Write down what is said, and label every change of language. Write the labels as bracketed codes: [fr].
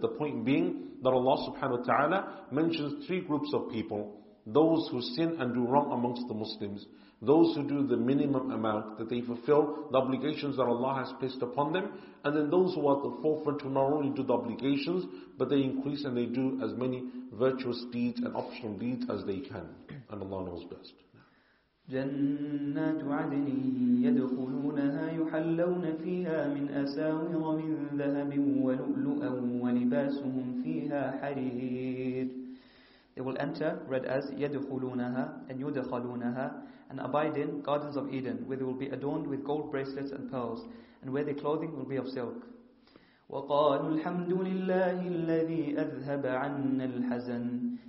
[en] The point being that Allah subhanahu wa ta'ala mentions three groups of people, those who sin and do wrong amongst the Muslims, those who do the minimum amount that they fulfill the obligations that Allah has placed upon them, and then those who are at the forefront who not only do the obligations, but they increase and they do as many virtuous deeds and optional deeds as they can. And Allah knows best. [ar] جنات عدن يدخلونها يحلون فيها من أساور من ذهب ولؤلؤا ولباسهم فيها حرير [en] They will enter, read as [ar] يدخلونها [en] and يدخلونها and abide in gardens of Eden where they will be adorned with gold bracelets and pearls and where their clothing will be of silk [ar] وَقَالُوا الْحَمْدُ لِلَّهِ الَّذِي أَذْهَبَ عَنَّا الْحَزَنَ.